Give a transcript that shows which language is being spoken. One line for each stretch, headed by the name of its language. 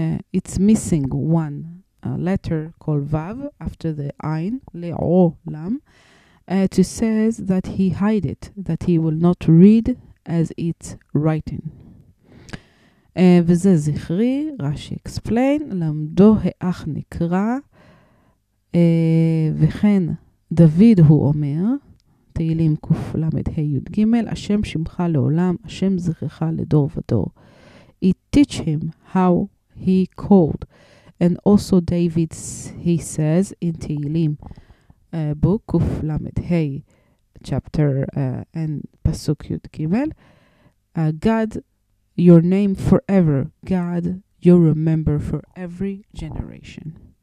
English: It's missing one letter called vav after the ayin, le'olam, to says that he hide it, that he will not read as it's written.
Hebrew: וזה זכרי, רשי explain, למדו האח נקרא, וכן דוד הוא אומר, תהילים קוף למד היוד גימל, השם שמחה לעולם, השם זכרך לדור ודור.
English: He teach him how he called. And also David, he says in Teheilim book, Kuf Lamed Hey, chapter and Pasuk Yud Gimel, God, your name forever, God, you remember for every generation.